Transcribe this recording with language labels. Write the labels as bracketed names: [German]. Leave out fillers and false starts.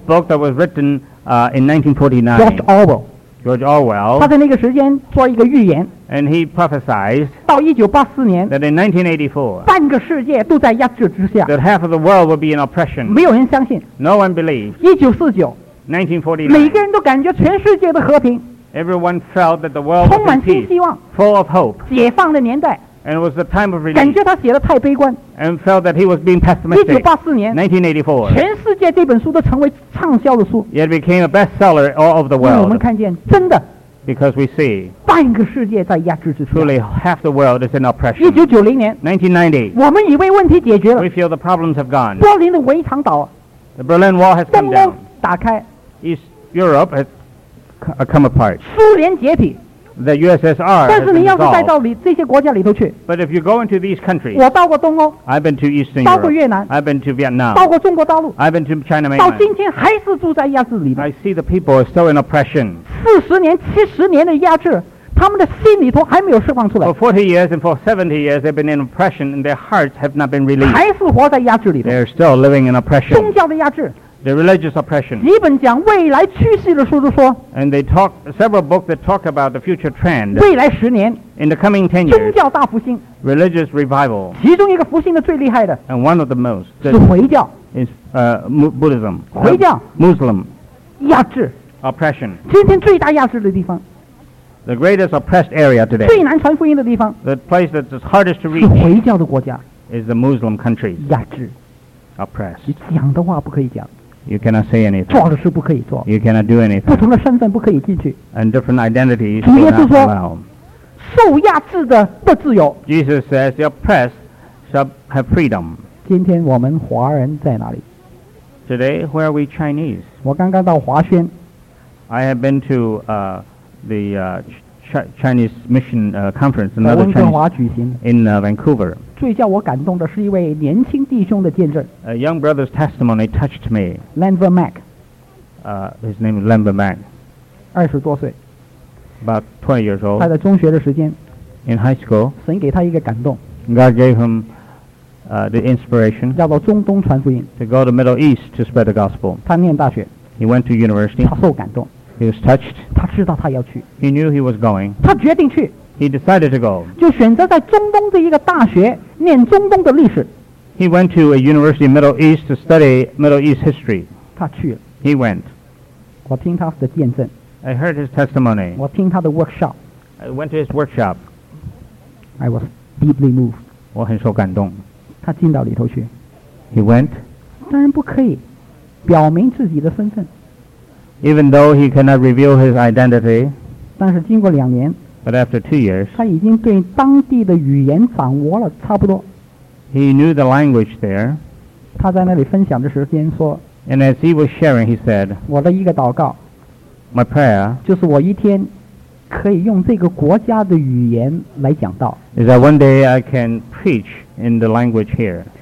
[English] A book that was written in 1949 [Chinese] George Orwell 他在那个时间做一个预言 [English] And he prophesied [Chinese] 到1984年 [English] That in 1984 [Chinese] 半个世界都在压制之下 [English] That half of the world would be in oppression [Chinese] 没有人相信 [English] No one believed 1949 1949 [Chinese] 每个人都感觉全世界的和平 [English] Everyone felt that the world [Chinese] 充满新希望 [English] Full of hope [Chinese] 解放的年代 [English] And it was the time of relief [Chinese] 感觉他写的太悲观 [English] And felt that he was being pessimistic [Chinese] 1984年 1984 全世界这本书都成为畅销的书 [English] Yet it became a bestseller all over the world [Chinese] 我们看见真的 [English] Because we see [Chinese] 半个世界在压制之下 [English] Truly half the world is in oppression [Chinese] 1990年 1990 我们以为问题解决了 [English] We feel the problems have gone [Chinese] 柏林的围墙倒 [English] The Berlin Wall has come down [Chinese] 打开 [English] East Europe has come apart. [Chinese] 苏联解体 [English] The USSR. [Chinese] 但是你要是带到里这些国家里头去 [English] But if you go into these countries. [Chinese] 我到过东欧 [English] I've been to Eastern Europe. [Chinese] 到过越南 [English] I've been to Vietnam. [Chinese] 到过中国大陆 [English] I've been to China mainland. [Chinese] 到今天还是住在压制里面 [English] I see the people are still in oppression. [Chinese] 40年、70年的压制，他们的心里头还没有释放出来。 [English] For 40 years and for 70 years, they've been in oppression, and their hearts have not been released. [Chinese] 还是活在压制里头。 [English] They're still living in oppression. [Chinese] 宗教的压制。 [English] The religious oppression. [Chinese] 几本讲未来趋势的书都说。 [English] And they talk several books that talk about the future trend. [Chinese] 未来十年。 [English] In the coming 10 years. [Chinese] 宗教大复兴。 [English] Religious revival. [Chinese] 其中一个复兴的最厉害的。 [English] And one of the most. [Chinese] 是回教。 [English] Is Buddhism. [Chinese] 回教。 [English] Muslim. [Chinese] 压制。 [English] Oppression. [Chinese] 今天最大压制的地方。 [English] The greatest oppressed area today. [Chinese] 最难传福音的地方。 [English] The place that is hardest to reach. [Chinese] 是回教的国家。 [English] Is the Muslim countries. [Chinese] 压制。 [English] Oppressed. [Chinese] 你讲的话不可以讲。 [English] You cannot say anything. [Chinese] 做的事不可以做。 [English] You cannot do anything. [Chinese] 不同的身份不可以进去。 [English] And different identities will not allow. [Chinese] 主耶稣说，受压制的不自由。 [English] Jesus says, the oppressed shall have freedom. [Chinese] 今天我们华人在哪里？ [English] Today, where are we Chinese? [Chinese] 我刚刚到华轩。 [English] I have been to the Chinese mission conference, another Chinese in Vancouver. [Chinese] 最叫我感动的是一位年轻弟兄的见证。 [English] A young brother's testimony touched me. Lanver Mack. His name is Lanver Mack. [Chinese] 20多岁。 [English] About 20 years old. [Chinese] 他在中学的时间。 [English] In high school. [Chinese] 神给他一个感动。 [English] God gave him the inspiration. [Chinese] 叫做中东传福音。 [English] To go to Middle East to spread the gospel. [Chinese] 他念大学。 [English] He went to university. [Chinese] 他受感动。 [English] He was touched. [Chinese] 他知道他要去。 [English] He knew he was going. [Chinese] 他决定去。 [English] He decided to go. [Chinese] 就选择在中东的一个大学念中东的历史。 [English] He went to a university in Middle East to study Middle East history. [Chinese] 他去了。 [English] He went. [Chinese] 我听他的见证。 [English] I heard his testimony. [Chinese] 我听他的 workshop. [English] I went to his workshop. I was deeply moved. [Chinese] 我很受感动。他进到里头去。 [English] He went. [Chinese] 当然不可以表明自己的身份。 [English] Even though he cannot reveal his identity, [Chinese] 但是经过两年, [English] but after 2 years, [Chinese] 他已经对当地的语言掌握了差不多。 [English] He knew the language there. [Chinese] 他在那里分享的时间说, [English] and as he was sharing, he said, [Chinese] 我的一个祷告, [English] my prayer, [Chinese] 就是我一天可以用这个国家的语言来讲道, [English] is that one day I can preach in the language here.